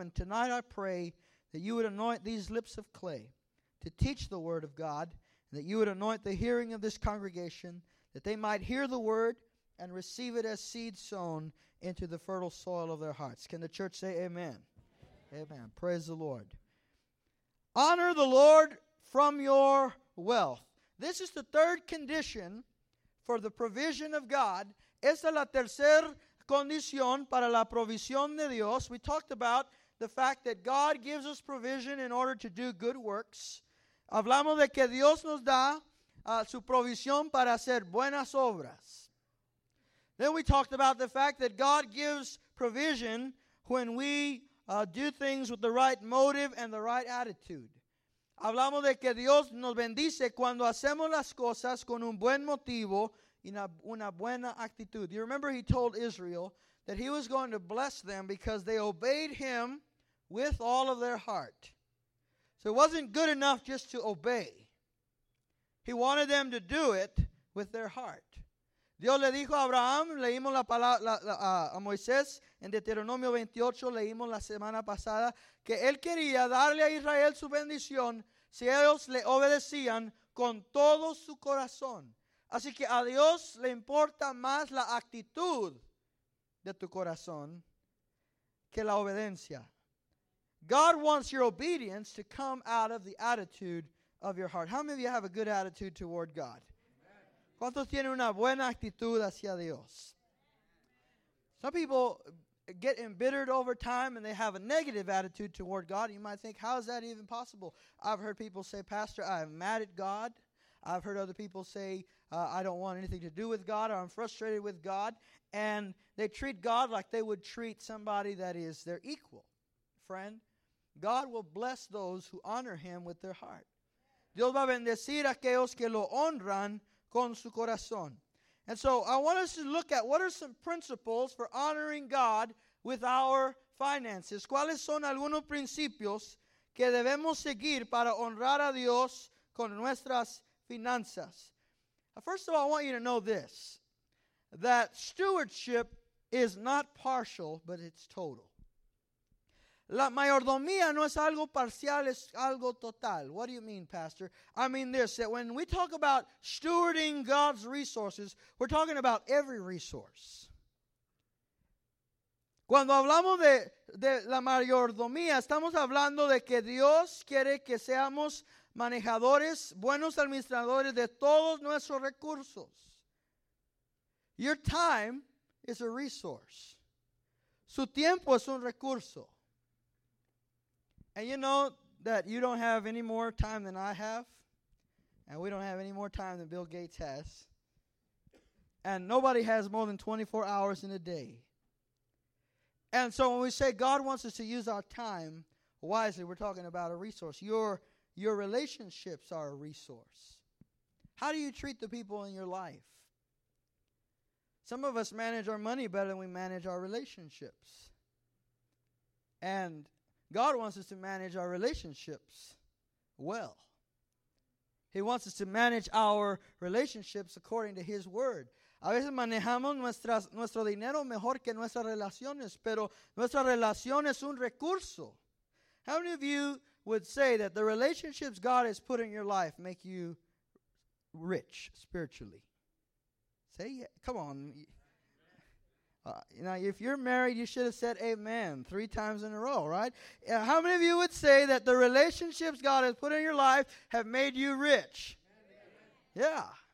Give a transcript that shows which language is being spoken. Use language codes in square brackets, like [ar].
[en] And tonight I pray that you would anoint these lips of clay to teach the word of God, and that you would anoint the hearing of this congregation, that they might hear the word and receive it as seed sown into the fertile soil of their hearts. Can the church say amen? Amen. Amen. Praise the Lord. Honor the Lord from your wealth. This is the third condition for the provision of God. [es] Esta es la tercera condición para la provisión de Dios. [en] We talked about the fact that God gives us provision in order to do good works. [es] Hablamos de que Dios nos da su provisión para hacer buenas obras. [en] Then we talked about the fact that God gives provision when we do things with the right motive and the right attitude. [es] Hablamos de que Dios nos bendice cuando hacemos las cosas con un buen motivo y una buena actitud. [en] You remember he told Israel that he was going to bless them because they obeyed him with all of their heart. So it wasn't good enough just to obey. He wanted them to do it with their heart. [es] Dios le dijo a Abraham, leímos la palabra a Moisés en Deuteronomio 28, leímos la semana pasada, que él quería darle a Israel su bendición si ellos le obedecían con todo su corazón. Así que a Dios le importa más la actitud de tu corazón que la obediencia. [en] God wants your obedience to come out of the attitude of your heart. How many of you have a good attitude toward God? Amen. [es] ¿Cuántos tienen una buena actitud hacia Dios? [en] Some people get embittered over time and they have a negative attitude toward God. You might think, how is that even possible? I've heard people say, "Pastor, I'm mad at God." I've heard other people say, "I don't want anything to do with God," or "I'm frustrated with God." And they treat God like they would treat somebody that is their equal. Friend, God will bless those who honor him with their heart. [es] Dios va a bendecir a aquellos que lo honran con su corazón. [en] And so I want us to look at what are some principles for honoring God with our finances. [es] ¿Cuáles son algunos principios que debemos seguir para honrar a Dios con nuestras finanzas? [en] First of all, I want you to know this, that stewardship is not partial, but it's total. [es] La mayordomía no es algo parcial, es algo total. [en] What do you mean, Pastor? I mean this, that when we talk about stewarding God's resources, we're talking about every resource. [es] Cuando hablamos de la mayordomía, estamos hablando de que Dios quiere que seamos manejadores, buenos administradores de todos nuestros recursos. [en] Your time is a resource. [es] Su tiempo es un recurso. [en] And you know that you don't have any more time than I have. And we don't have any more time than Bill Gates has. And nobody has more than 24 hours in a day. And so when we say God wants us to use our time wisely, we're talking about a resource. Your relationships are a resource. How do you treat the people in your life? Some of us manage our money better than we manage our relationships. And God wants us to manage our relationships well. He wants us to manage our relationships according to His word. [es] A veces manejamos nuestro dinero mejor que nuestras relaciones, pero nuestra relación es un recurso. [en] How many of you would say that the relationships God has put in your life make you rich spiritually? Say, yeah. Come on. Now, if you're married, you should have said amen 3 times in a row, right? How many of you would say that the relationships God has put in your life have made you rich? Amen. Yeah.